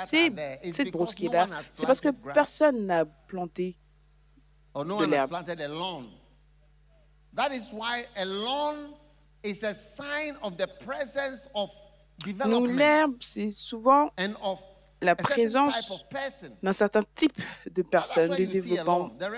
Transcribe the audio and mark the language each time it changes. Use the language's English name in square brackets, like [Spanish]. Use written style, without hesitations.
[French] C'est cette brousse qui est là, c'est parce que personne n'a planté de l'herbe. [English] That is why a lawn is a sign of the presence of development. [French] L'herbe, c'est souvent la présence d'un certain type de personne, de développement.